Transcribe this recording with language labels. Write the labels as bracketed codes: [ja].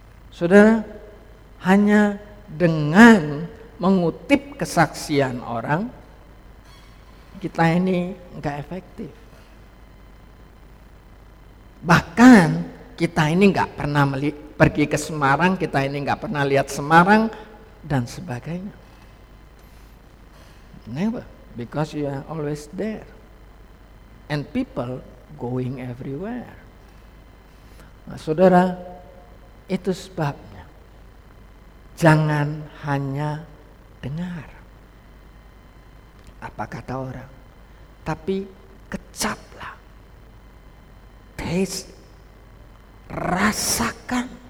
[id] Saudara, hanya dengan mengutip kesaksian orang, kita ini enggak efektif. Bahkan kita ini enggak pernah pergi ke Semarang, kita ini enggak pernah lihat Semarang dan sebagainya. [en] Never, because you are always there. And people going everywhere. [id] Nah, saudara, itu sebabnya. Jangan hanya dengar apa kata orang, tapi kecaplah, [en] taste, [id] rasakan.